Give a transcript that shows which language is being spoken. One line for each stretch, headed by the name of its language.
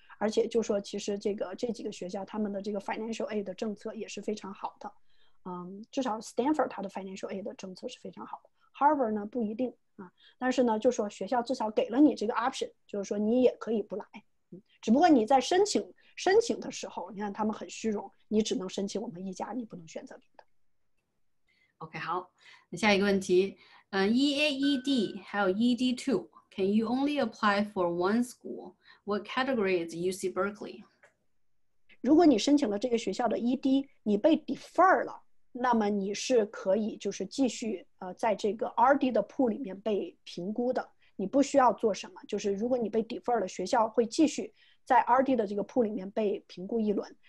Chinese: 而且就说其实这几个学校他们的这个 financial aid 的政策也是非常好的，至少 Stanford 它的 financial aid 的政策是非常好的，Harvard 呢不一定啊，但是呢就说学校至少给了你这个 option，就是说你也可以不来，只不过你在申请的时候，你看他们很虚荣，你只能申请我们一家，你不能选择别的。 OK，好，那下一个问题，
English: EAED
Chinese: 还有
English: ED2 Can you only apply for one school? What category is UC Berkeley?
Chinese: 如果你申请了这个学校的 ED， 你被 defer 了，那么你是可以就是继续在这个 RD 的 pool 里面被评估的，你不需要做什么。就是如果你被 defer 了，学校会继续在 RD 的这个 pool 里面被评估一轮。